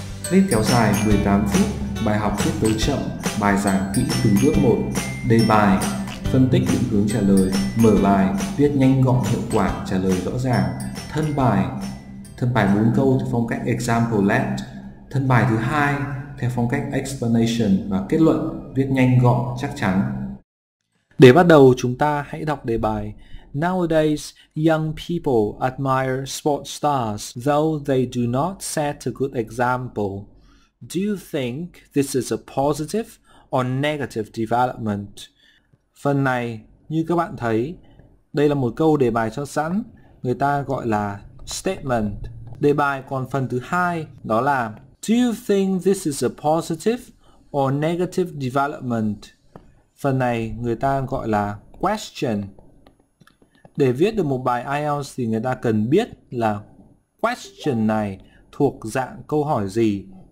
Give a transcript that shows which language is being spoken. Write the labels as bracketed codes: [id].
[vi] Clip kéo dài 18 phút, bài học viết tới chậm, bài giảng kỹ từng bước một, đề bài, phân tích định hướng trả lời, mở bài, viết nhanh gọn hiệu quả, trả lời rõ ràng, thân bài 4 câu theo phong cách example led, thân bài thứ 2 theo phong cách explanation và kết luận, viết nhanh gọn chắc chắn. Để bắt đầu, chúng ta hãy đọc đề bài. [en] Nowadays, young people admire sports stars, though they do not set a good example. Do you think this is a positive or negative development? [vi] Phần này, như các bạn thấy, đây là một câu đề bài cho sẵn, người ta gọi là statement. Đề bài còn phần thứ hai, đó là [en] Do you think this is a positive or negative development? [vi] Phần này người ta gọi là question. Để viết được một bài IELTS thì người ta cần biết là question này thuộc dạng câu hỏi gì.